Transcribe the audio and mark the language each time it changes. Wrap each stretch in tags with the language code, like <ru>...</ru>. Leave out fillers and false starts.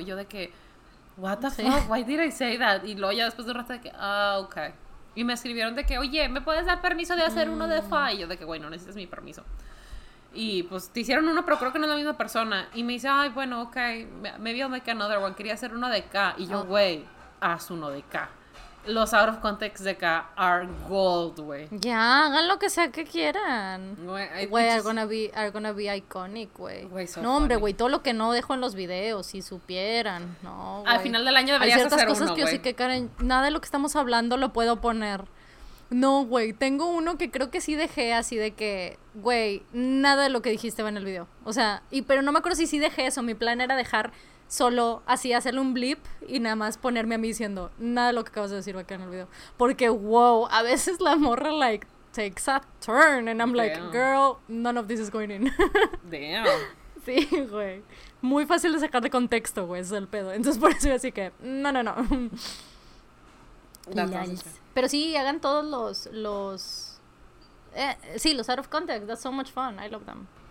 <es>Yo de que,</es> <en>what the fuck, why did I say that?</en> <es>Y luego ya después de un rato de que, ah, ok. Y me escribieron de que, oye, ¿me puedes dar permiso de hacer uno de FA? Y yo de que, güey, no necesitas mi permiso. Y pues te hicieron uno, pero creo que no es la misma persona. Y me dice, ay, bueno, ok,</es> <en>maybe I'll make another one.</en> <es>Quería hacer uno de K. Y yo, güey, haz uno de K. Los out of context de acá</es> <en>are gold,</en> <es>güey. Ya, hagan lo que sea que quieran. Güey,</es> <en>are gonna be iconic,</en> <es>güey. So no, hombre, güey, todo lo que no dejo en los videos, si supieran. No, güey. Al final del año deberías hacer uno, güey. Hay ciertas cosas que yo sí que, Karen, nada de lo que estamos hablando lo puedo poner. No, güey, tengo uno que creo que sí dejé así de que, güey, nada de lo que dijiste va en el video. O sea, pero no me acuerdo si sí dejé eso, mi plan era dejar... solo así hacerle un blip y nada más ponerme a mí diciendo nada de lo que acabas de decir va a quedar en el video, porque wow, a veces la morra</es> <en>like takes a turn and I'm damn. Like girl, none of this is going in. Damn.</en> <es>Sí, güey, muy fácil de sacar de contexto, güey, es el pedo. Entonces por eso yo así que no yes. Pero sí, hagan todos los</es> <en>out of context, that's so much fun, I love them.</en>